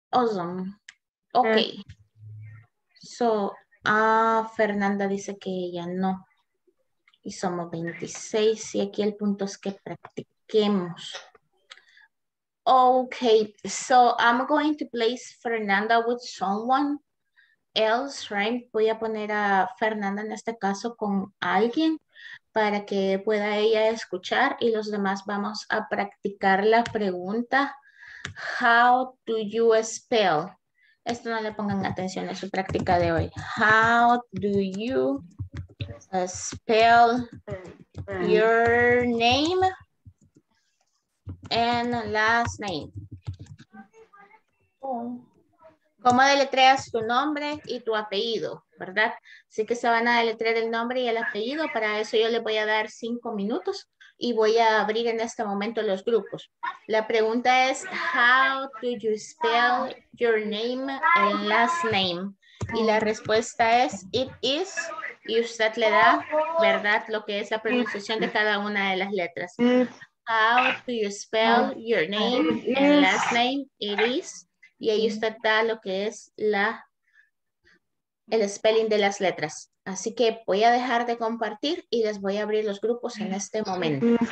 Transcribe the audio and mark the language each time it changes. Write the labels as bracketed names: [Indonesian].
[English] Awesome. Ok. So, [Spanish] Fernanda dice que ella no. Y somos 26. Y aquí el punto es que practiquemos. Ok. [English] So, I'm going to place Fernanda with someone else, right? [Spanish] Voy a poner a Fernanda en este caso con alguien para que pueda ella escuchar y los demás vamos a practicar la pregunta. [English] How do you spell? [Spanish] Esto no le pongan atención a su práctica de hoy. [English] How do you spell your name and last name? [Spanish] ¿Cómo deletreas tu nombre y tu apellido? ¿Verdad? Así que se van a deletrear el nombre y el apellido. Para eso yo les voy a dar 5 minutos y voy a abrir en este momento los grupos. La pregunta es, [English] how do you spell your name and last name? [Spanish] Y la respuesta es, [English] it is, [Spanish] y usted le da, ¿verdad? Lo que es la pronunciación de cada una de las letras. [English] How do you spell your name and last name? It is. [Spanish] Y ahí usted da lo que es la el spelling de las letras. Así que voy a dejar de compartir y les voy a abrir los grupos en este momento.